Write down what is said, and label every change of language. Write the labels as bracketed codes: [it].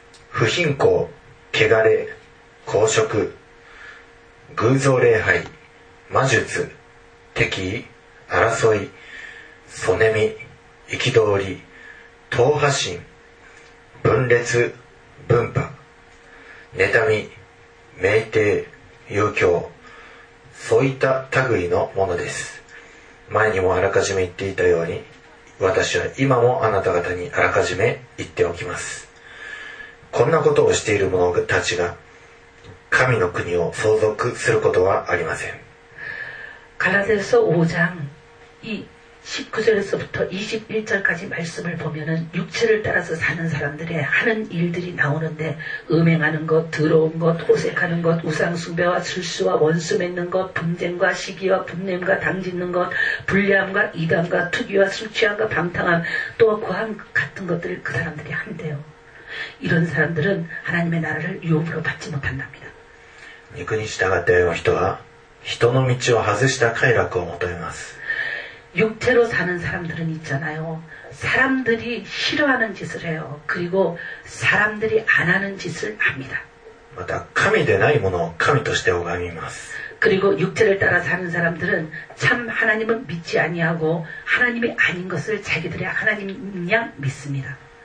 [ja] 不貧困、汚れ、公職、偶像礼拝、魔術、敵意、争い、そねみ、憤り、党派心、分裂、分派、妬み、酩酊、遊興、そういった類のものです。前にもあらかじめ言っていたように、私は今もあなた方にあらかじめ言っておきます。こんなことをしている者たちが神の国を相続することはありません。 [ko] ガラテヤ5장이 19절에서부터 21절까지 말씀을 보면은 육체를 따라서 사는 사람들의 하는 일들이 나오는데 음행하는 것, 더러운 것, 호색하는 것, 우상숭배와 술수와 원수 맺는 것, 분쟁과 시기와 분냄과 당짓는 것, 불리함과 이단과 투기와 술취함과 방탕함 또 고함 같은 것들을 그 사람들이 한대요. 이런 사람들은 하나님의 나라를 유업으로 받지 못한답니다. 육에 따라서 [ja] 人は人の道を外した快楽を求めます。 [ko] 육체로 사는 사람들은 있잖아요. 사람들이 싫어하는 짓을 해요. 그리고 사람들이 안 하는 짓을 합니다. [ja] また神でないものを神として拝みます。 [ko] 그리고 육체를 따라 사는 사람들은 참 하나님을 믿지 아니하고 하나님이 아닌 것을 자기들의 하나님이냐 믿습니다.